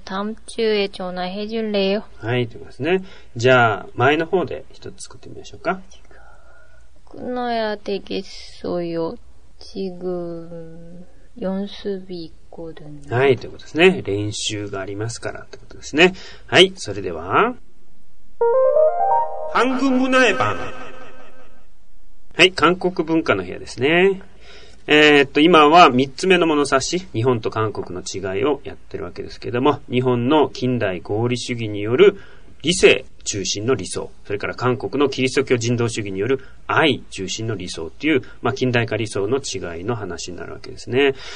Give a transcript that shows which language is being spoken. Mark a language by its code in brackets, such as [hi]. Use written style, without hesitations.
[ko] 다음 주에 전화해 줄래요? 네, 됐습니다. [ja] 자, 前の方で 1つ作ってみましょうか. [ko] 끊어야 되겠어요. 지금 연습이 있거든요. [ja] 네, ということですね. [ko] 연습이 [ja] ありますから ってことですね. [ko] 네, [ja] それでは [ko] 한국문화의 방. 네, [ja] 한국文化の部屋ですね.今は3つ目の物差し、日本と韓国の違いをやってるわけですけれども、日本の近代合理主義による理性中心の理想、それから韓国のキリスト教人道主義による愛中心の理想っていう、まあ、近代化理想の違いの話になるわけですね。